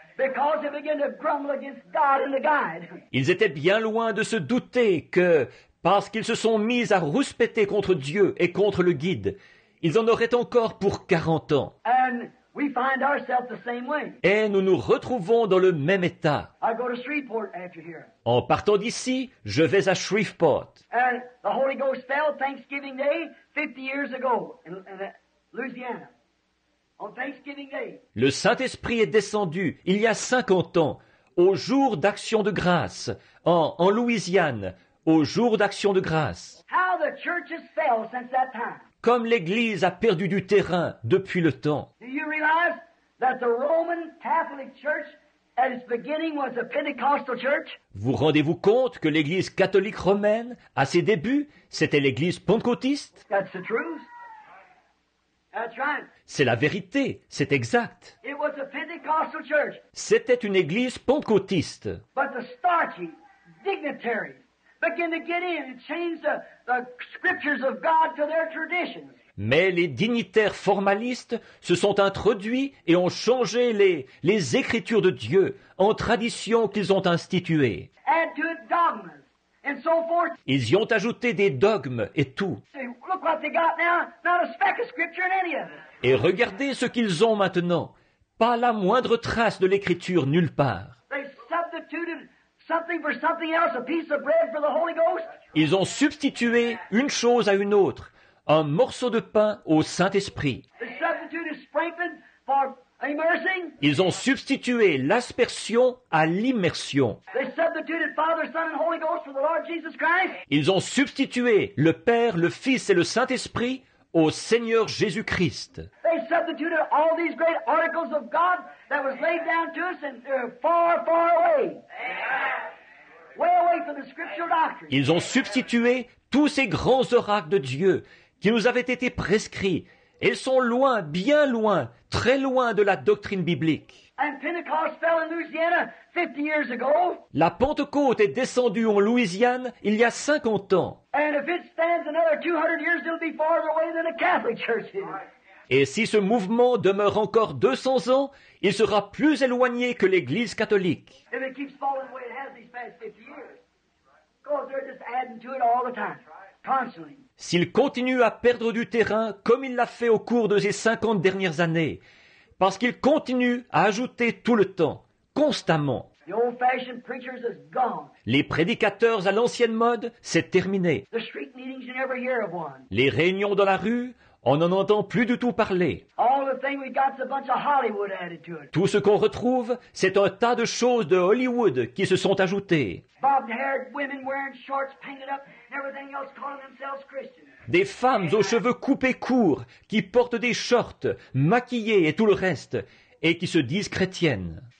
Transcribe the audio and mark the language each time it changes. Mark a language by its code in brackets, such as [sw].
[en] Because they began to grumble against God and the guide. [fr] Ils étaient bien loin de se douter que, parce qu'ils se sont mis à rouspéter contre Dieu et contre le guide, ils en auraient encore pour 40 ans. [en] And we find ourselves the same way. [fr] Et nous nous retrouvons dans le même état. [en] I go to Shreveport after here. [fr] En partant d'ici, je vais à Shreveport. [en] And the Holy Ghost fell Thanksgiving Day 50 years ago in Louisiana. On Thanksgiving Day. [fr] Le Saint-Esprit est descendu il y a 50 ans, au jour d'Action de Grâce, en Louisiane, au jour d'Action de Grâce. [en] How the church has failed since that time. [fr] Comme l'Église a perdu du terrain depuis le temps. [en] Do you realize that the Roman Catholic Church at its beginning was a Pentecostal church? [fr] Vous rendez-vous compte que l'Église catholique romaine, à ses débuts, c'était l'Église pentecôtiste? [en] That's the truth. That's right. [fr] C'est la vérité, c'est exact. [en] It was a Pentecostal church. [fr] C'était une Église pentecôtiste. [en] But the starchy dignitaries begin to get in and change the scriptures of God to their traditions. [fr] Mais les dignitaires formalistes se sont introduits et ont changé les écritures de Dieu en traditions qu'ils ont instituées. [en] Add to it dogmas and so forth. [fr] Ils y ont ajouté des dogmes et tout. [en] Look what they got now, not a speck of scripture in any of it. [fr] Et regardez ce qu'ils ont maintenant. Pas la moindre trace de l'écriture nulle part. [en] They substituted something for something else, a piece of bread for the Holy Ghost. [fr] Ils ont substitué une chose à une autre, un morceau de pain au Saint-Esprit. [en] They substituted sprinkling for immersing. [fr] Ils ont substitué l'aspersion à l'immersion. [en] They substituted Father, Son and Holy Ghost for the Lord Jesus Christ. [fr] Ils ont substitué le Père, le Fils et le Saint-Esprit au Seigneur Jésus-Christ. [en] They substituted all these great articles of God that was laid down to us and far, far away. Way away from the scriptural doctrine. [fr] Ils ont substitué tous ces grands oracles de Dieu qui nous avaient été prescrits. Ils sont loin, bien loin, très loin de la doctrine biblique. [en] And Pentecost fell in Louisiana 50 years ago. [fr] La Pentecôte est descendue en Louisiane il y a 50 ans. [en] And if it stands another 200 years, it'll be farther away than a Catholic church is. [fr] Et si ce mouvement demeure encore 200 ans, il sera plus éloigné que l'Église catholique. [en] If it keeps falling the way it has these past 50 years, because they're just adding to it all the time, constantly. [fr] S'il continue à perdre du terrain comme il l'a fait au cours de ces 50 dernières années, parce qu'il continue à ajouter tout le temps, constamment. [en] The old-fashioned preachers is gone. [fr] Les prédicateurs à l'ancienne mode, c'est terminé. [en] The street meetings you never hear of one. [fr] Les réunions dans la rue, on n'en entend plus du tout parler. [en] All the thing we got's a bunch of Hollywood added to it. [fr] Tout ce qu'on retrouve, c'est un tas de choses de Hollywood qui se sont ajoutées. [en] Bob-haired women wearing shorts painted up. Everything else calling themselves Christians. [fr] Des femmes aux cheveux coupés courts, qui portent des shorts, maquillées et tout le reste, et qui se disent chrétiennes.